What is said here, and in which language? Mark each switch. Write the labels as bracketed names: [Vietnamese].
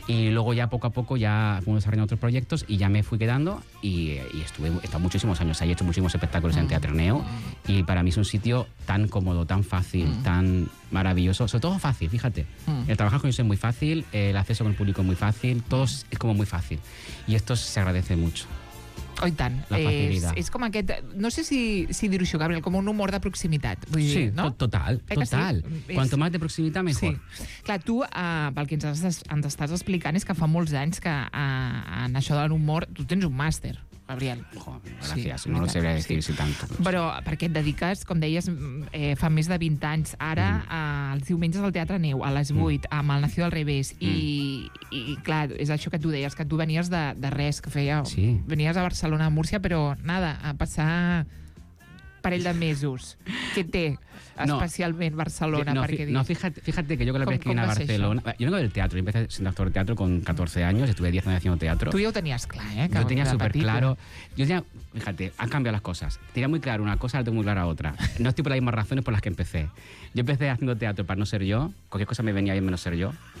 [Spanish] Y luego ya poco a poco ya fuimos desarrollando otros proyectos y ya me fui quedando y estuve, he estado muchísimos años ahí, he hecho muchísimos espectáculos en Teatre Neu y para mí es un sitio tan cómodo, tan fácil, tan maravilloso, sobre todo fácil, fíjate. El trabajar con ellos es muy fácil, el acceso con el público es muy fácil, todo es como muy fácil y esto se agradece mucho. [Catalan] Oh, i tant. És com aquest... No sé si dir-ho això, Gabriel, com un humor de proximitat. Vull sí, dir, no? Total. Total. Sí? Quanto més de proximitat, millor. Sí. Clar, tu, pel que ens estàs explicant, és que fa molts anys que en això de l'humor tu tens un màster. Gabriel. Gràcies, sí, no ho sabria dir si tant. Però perquè et dediques, com deies, fa més de 20 anys, ara, els diumenges al Teatre Neu, a les 8, amb el Nació del Revés, i clar, és això que tu deies, que tu venies de res, que feia... Sí. Venies a Barcelona, a Múrcia, però nada, a passar parell de mesos. Què té especialment Barcelona? [Spanish] Fíjate que [Catalan] jo que [Spanish] la vez que vine a Barcelona... [Catalan] Jo [Spanish] vengo del teatro, empecé siendo actor de teatro con 14 años, estuve 10 años haciendo teatro. Tú ya lo tenías claro, ¿eh? Yo tenía súper claro. Yo tenía, fíjate, han cambiado las cosas. Tenía muy claro una cosa, la tengo muy clara otra. No estoy por las mismas razones por las que empecé. Yo empecé haciendo teatro para no ser yo, cualquier cosa me venía bien menos ser yo.